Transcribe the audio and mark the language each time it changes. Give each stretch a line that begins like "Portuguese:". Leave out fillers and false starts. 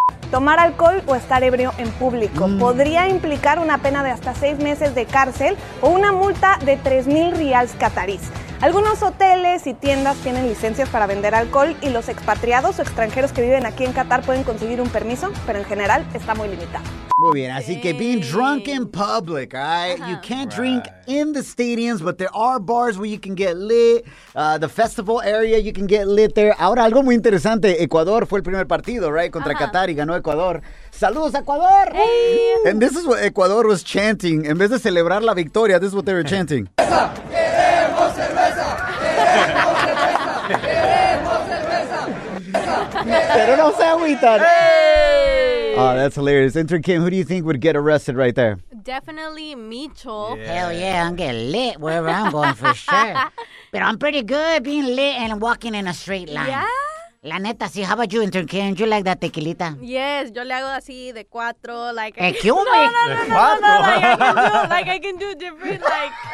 Spanish: Tomar alcohol o estar ebrio en público podría implicar una pena de hasta 6 meses de cárcel o una multa de 3,000 rials qataríes. Algunos hoteles y tiendas tienen licencias para vender alcohol y los expatriados o extranjeros que viven aquí en Qatar pueden conseguir un permiso, pero en general está muy limitado. Muy bien, así que
English: being drunk in public, all right? You can't drink in the stadiums, but there are bars where you can get lit. The festival area, you can get lit there.
Spanish: Ahora, algo muy interesante. Ecuador fue el primer partido,
English: right?
Spanish: Contra Qatar y ganó Ecuador. ¡Saludos, Ecuador! Hey.
English: And this is what Ecuador was chanting.
Spanish: En vez de celebrar la victoria,
English: this is what they were chanting.
Spanish: ¡Queremos cerveza! ¡Queremos cerveza! ¡Queremos cerveza! ¡Pero no se agüitan! ¡Hey!
English: Oh, that's hilarious. Enter Kim, who do you think would get arrested right there? Definitely Micho. Yeah. Hell yeah, I'm getting lit wherever I'm going for sure. But I'm pretty good being lit and walking in a straight line. Yeah?
Spanish: La neta, sí,
English: how about you, intern Ken? You like that tequilita? Yes,
Spanish: yo le hago así de cuatro, like... ¡Ecume!
English: No, like, I can do different, like...